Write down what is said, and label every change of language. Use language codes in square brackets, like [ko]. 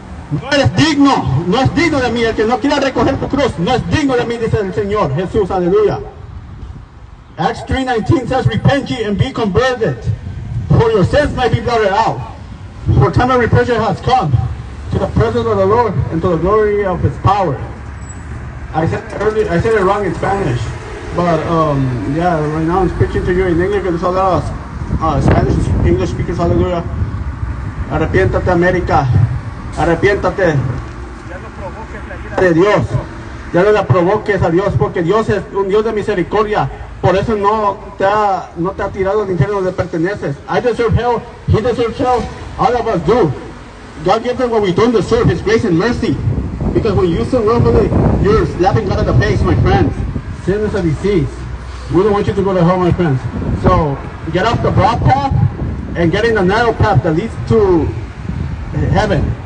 [es] No eres digno, no es digno de mí, el que no quiera recoger tu cruz, no es digno de mí, dice el Señor Jesús, aleluya. [en] Acts 3:19 says, repent ye and be converted, for your sins may be blotted out. For time of repentance has come to the presence of the Lord and to the glory of His power. I said it wrong in Spanish, but right now I'm preaching to you in English because there's a lot of Spanish and English speakers, hallelujah. [es] Arrepiéntate, America. Arrepiéntate. Ya no provoques la ira de Dios. Ya no la provoques a Dios, porque Dios es un Dios de misericordia. Por eso no te ha tirado al infierno donde perteneces. [en] I deserve hell. He deserves hell. All of us do. God gives us what we don't deserve, His grace and mercy. Because when you sin wrongfully, you're slapping God in the face, my friends. Sin is a disease. We don't want you to go to hell, my friends. So get off the broad path and get in the narrow path that leads to heaven.